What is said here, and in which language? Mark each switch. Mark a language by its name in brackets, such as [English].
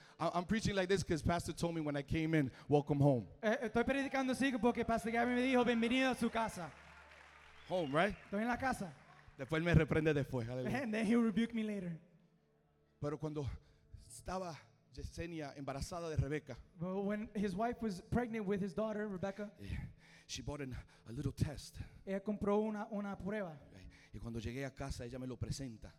[English] I'm preaching like this because Pastor told me when I came in, welcome home. [Spanish] Estoy predicando así porque Pastor Gabriel me dijo, bienvenido a su casa. [English] Home, right? [Spanish] Estoy en la casa. Después él me reprende después. [English] Aleluya. And then he rebuked me later. [Spanish] Pero cuando estaba Yesenia embarazada de Rebeca. [English] When his wife was pregnant with his daughter, Rebecca. She bought a little test. [Spanish] Ella compró una prueba. Y cuando llegué a casa, ella me lo presenta.